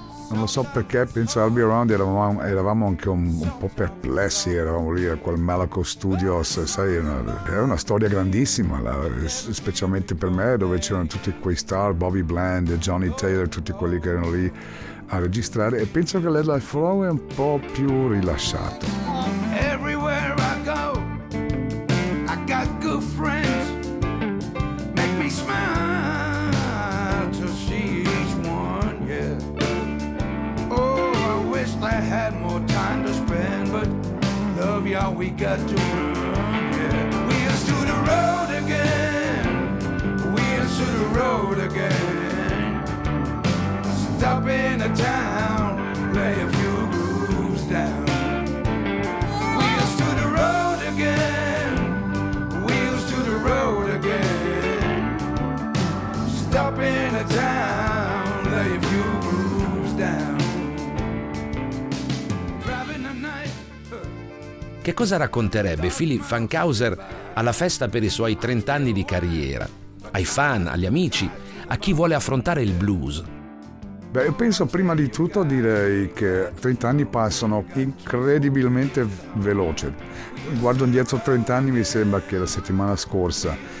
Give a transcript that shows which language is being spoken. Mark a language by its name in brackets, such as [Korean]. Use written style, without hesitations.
[Italian] Non lo so perché, penso I'll Be Around eravamo anche un po' perplessi, eravamo lì a quel Malaco Studios, sai, è una storia grandissima, specialmente per me, dove c'erano tutti quei star, Bobby Bland, Johnny Taylor, tutti quelli che erano lì a registrare, e penso che Let Life Flow è un po' più rilasciato. [English] Everywhere I go, I got good friends, make me smile to see each one, yeah. Oh, I wish I had more time to spend, but love y'all, we got to run, yeah. We are to the road again, we are to the road again. Up in a town, lay a few grooves down. Wheels to the road again, wheels to the road again. Stop in a town, lay a few grooves down. Driving the night. [Italian] Che cosa racconterebbe Philipp Fankhauser alla festa per i suoi 30 anni di carriera? Ai fan, agli amici, a chi vuole affrontare il blues? Beh, io penso prima di tutto direi che 30 anni passano incredibilmente veloce. Guardo indietro 30 anni, mi sembra che la settimana scorsa